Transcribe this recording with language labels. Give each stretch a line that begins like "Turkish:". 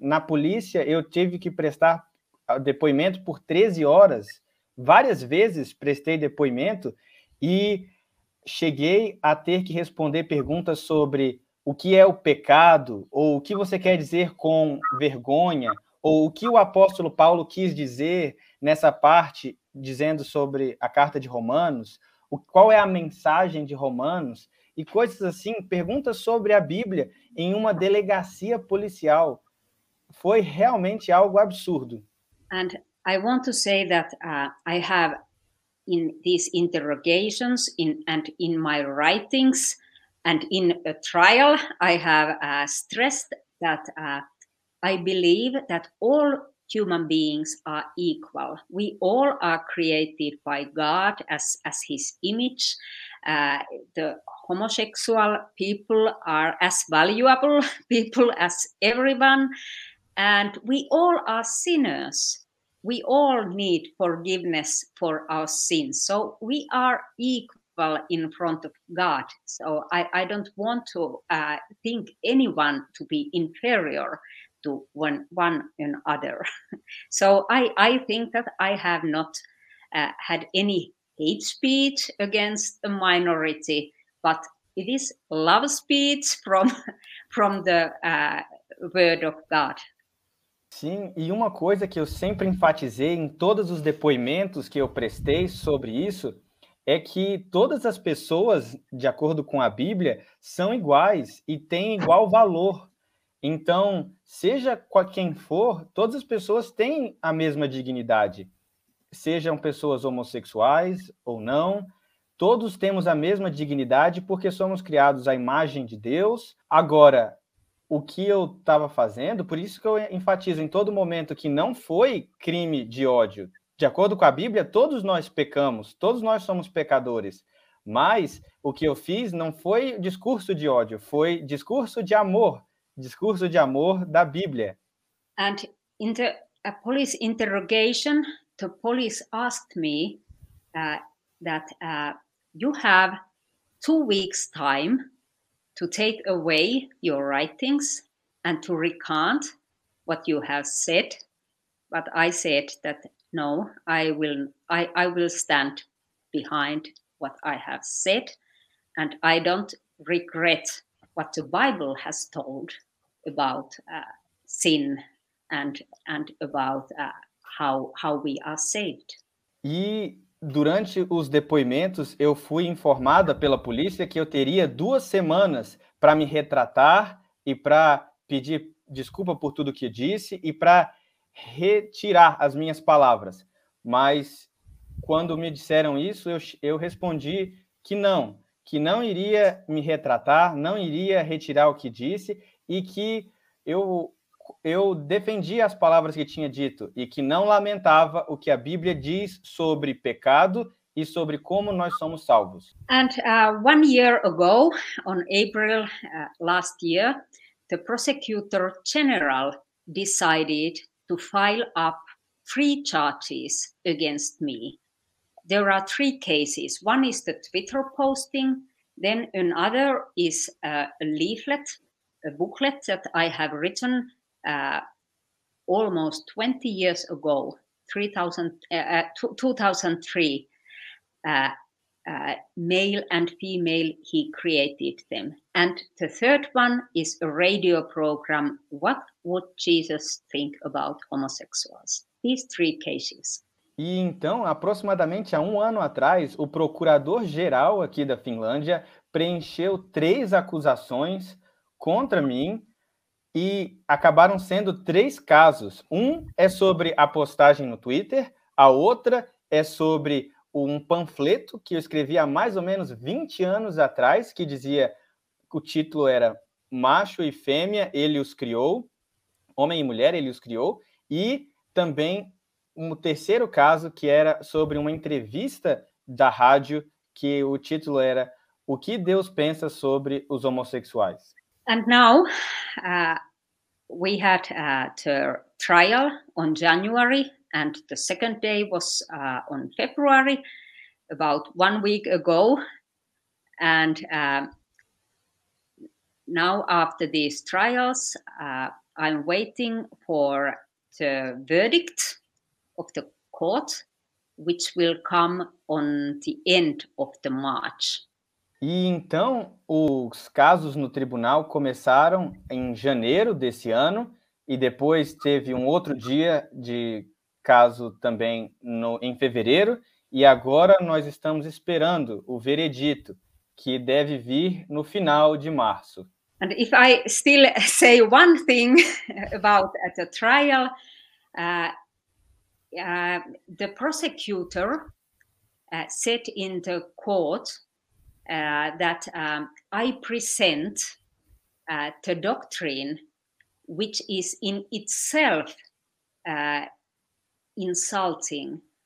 Portuguese: Na polícia, eu tive que prestar depoimento por 13 horas, várias vezes prestei depoimento e cheguei a ter que responder perguntas sobre o que é o pecado, ou o que você quer dizer com vergonha, ou o que o apóstolo Paulo quis dizer nessa parte, dizendo sobre a carta de Romanos, qual é a mensagem de Romanos, e coisas assim, perguntas sobre a Bíblia em uma delegacia policial. Foi realmente algo absurdo.
English: And I want to say that I have in these interrogations and in my writings and in a trial, I have stressed that I believe that all human beings are equal. We all are created by God as his image. The homosexual people are as valuable people as everyone. And we all are sinners. We all need forgiveness for our sins. So we are equal. well, in front of God. So I don't want to think anyone to be inferior to one another. So I think that I have not had any hate speech against a minority, but it is love speech from the word of God.
Portuguese: Sim, e uma coisa que eu sempre enfatizei em todos os depoimentos que eu prestei sobre isso é que todas as pessoas, de acordo com a Bíblia, são iguais e têm igual valor. Então, seja qual quem for, todas as pessoas têm a mesma dignidade. Sejam pessoas homossexuais ou não, todos temos a mesma dignidade porque somos criados à imagem de Deus. Agora, o que eu estava fazendo, por isso que eu enfatizo em todo momento que não foi crime de ódio. De acordo com a Bíblia, todos nós pecamos, todos nós somos pecadores. Mas o que eu fiz não foi discurso de ódio, foi discurso de amor da Bíblia.
English: And in the police interrogation, the police asked me that you have 2 weeks time to take away your writings and to recant what you have said. But I said that no, I will stand behind what I have said, and I don't regret what the Bible has told about sin and about how we are saved.
Portuguese: E durante os depoimentos, eu fui informada pela polícia que eu teria 2 semanas para me retratar e para pedir desculpa por tudo que eu disse e para retirar as minhas palavras. Mas quando me disseram isso, eu respondi que não iria me retratar, não iria retirar o que disse e que eu defendi as palavras que tinha dito e que não lamentava o que a Bíblia diz sobre pecado e sobre como nós somos salvos.
English: And 1 year ago, on April last year, the prosecutor general decided to file up 3 charges against me. There are 3 cases. One is the Twitter posting, then another is a booklet that I have written almost 20 years ago, 2003, male and female, he created them. And the third one is a radio program, What Would Jesus Think About Homosexuals? These 3 cases.
Portuguese: E então, aproximadamente há 1 ano atrás, o procurador-geral aqui da Finlândia preencheu 3 acusações contra mim, e acabaram sendo 3 casos. Um é sobre a postagem no Twitter, a outra é sobre um panfleto que eu escrevi há mais ou menos 20 anos atrás, que dizia, o título era Macho e Fêmea, Ele os Criou, Homem e Mulher, Ele os Criou, e também um terceiro caso, que era sobre uma entrevista da rádio, que o título era O que Deus Pensa Sobre os Homossexuais.
English: And now we had the trial on January, and the second day was on February, about 1 week ago. And now after these trials, I'm waiting for the verdict of the court, which will come on the end of the March.
Portuguese: E então, os casos no tribunal começaram em janeiro desse ano e depois teve um outro dia de caso também em fevereiro e agora nós estamos esperando o veredito, que deve vir no final de março.
English: And if I still say one thing about the trial, the prosecutor said in the court that I present the doctrine which is in itself insulting.